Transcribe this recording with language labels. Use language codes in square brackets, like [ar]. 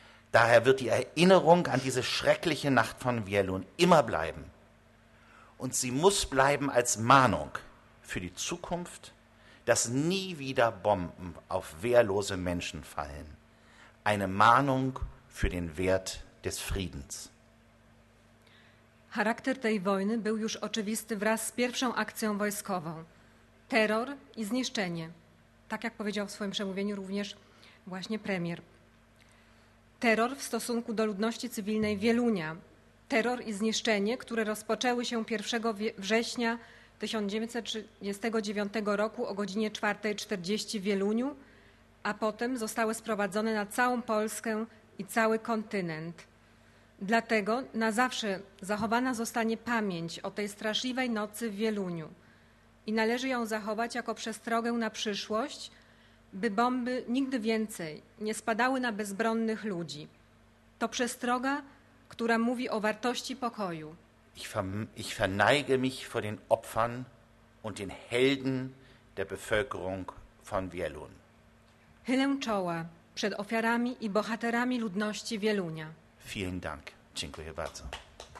[de] Daher wird die Erinnerung an diese schreckliche Nacht von Wielun immer bleiben. Und sie muss bleiben als Mahnung für die Zukunft, dass nie wieder Bomben auf wehrlose Menschen fallen. Eine Mahnung für den Wert des Friedens. [pl] Charakter tej wojny był już oczywisty wraz z pierwszą akcją wojskową. Terror i zniszczenie. Tak jak powiedział w swoim przemówieniu również właśnie premier. Terror w stosunku do ludności cywilnej Wielunia. Terror i zniszczenie, które rozpoczęły się 1 września 1939 roku o godzinie 4.40 w Wieluniu, a potem zostały sprowadzone na całą Polskę i cały kontynent. Dlatego na zawsze zachowana zostanie pamięć o tej straszliwej nocy w Wieluniu i należy ją zachować jako przestrogę na przyszłość, by bomby nigdy więcej nie spadały na bezbronnych ludzi. To przestroga, która mówi o wartości pokoju. [de] Ich verneige mich vor den Opfern und den Helden der Bevölkerung von Wielun. [pl] Chylę czoła przed ofiarami i bohaterami ludności Wielunia. [de] Vielen Dank. [pl] Dziękuję bardzo.